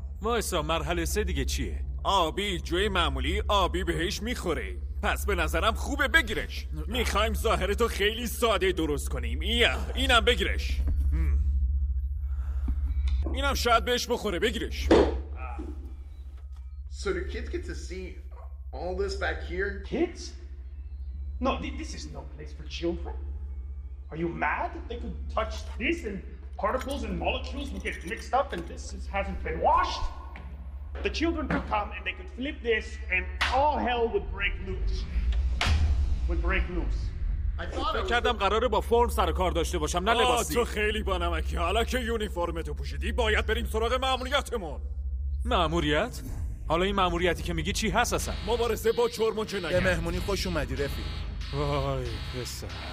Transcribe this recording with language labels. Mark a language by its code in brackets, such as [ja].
[fa] وایسا، مرحله 3 دیگه چیه؟ آبی، جوی معمولی آبی بهش میخوره، پس به نظرم خوبه بگیرش. میخوایم ظاهرتو خیلی ساده درست کنیم. اینم بگیرش. اینم شاید بهش بخوره، بگیرش. [en] So the kids get to see all this back here? Kids? No, this is no place for children. Are you mad that they could touch this and particles and molecules would get mixed up and this hasn't been washed? The children could come and they could flip this and all hell would break loose. [fa] فکر کردم قراره با فرم سر کار داشته باشم، نه لباسی. تو خیلی بانمکی، حالا که یونیفرمتو پوشیدی باید بریم سراغ ماموریتمون. ماموریت؟ حالا این ماموریتی که میگی چی هست اصلا؟ مبارزه با چرم و جنایت. به مهمونی خوش اومدی رفیق. وای پسر.